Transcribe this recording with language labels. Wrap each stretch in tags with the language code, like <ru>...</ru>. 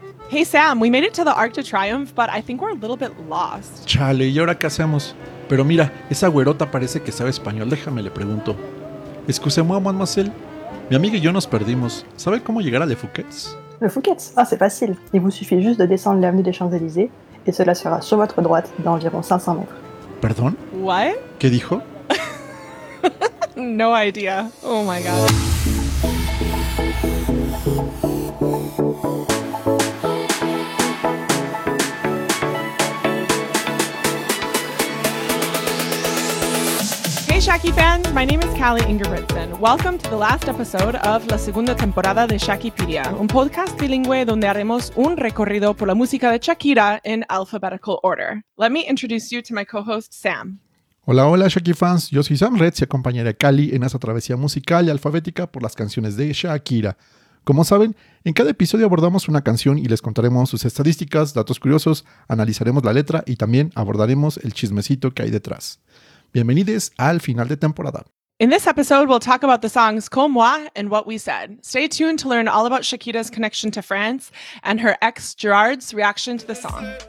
<en>Hey, Sam, we made it to the Arc de Triomphe, but I think we're a little bit lost.</en> <es>Chale, ¿y ahora qué hacemos? Pero mira, esa güerota parece que sabe español. Déjame le pregunto.</es> <fr>Excusez-moi, mademoiselle.</fr> <es>Mi amiga y yo nos perdimos. ¿Sabe cómo llegar a Le Fouquet's?</es> <fr>Le Fouquet's? Ah, c'est facile. Il vous suffit juste de descendre l'avenue des Champs-Élysées et cela sera sur votre droite d'environ 500 mètres.</fr> <es>¿Perdón?</es> <en>What?</en> <es>¿Qué dijo?</es> <en>No idea. Oh my God. Shaki fans, my name is Callie Ingebrigtsen. Welcome to the last episode of</en> <es>La Segunda Temporada de Shakipedia, un podcast bilingüe donde haremos un recorrido por la música de Shakira</es> <en>in alphabetical order. Let me introduce you to my co-host, Sam.</en> <es>Hola, hola, Shaki fans. Yo soy Sam Retz y acompañaré a Callie en esa travesía musical y alfabética por las canciones de Shakira. Como saben, en cada episodio abordamos una canción y les contaremos sus estadísticas, datos curiosos, analizaremos la letra y también abordaremos el chismecito que hay detrás. Bienvenidos al final de temporada.</es> <en>In this episode, we'll talk about the songs Comme Moi and What We Said. Stay tuned to learn all about Shakira's connection to France and her ex Gerard's reaction to the song.</en>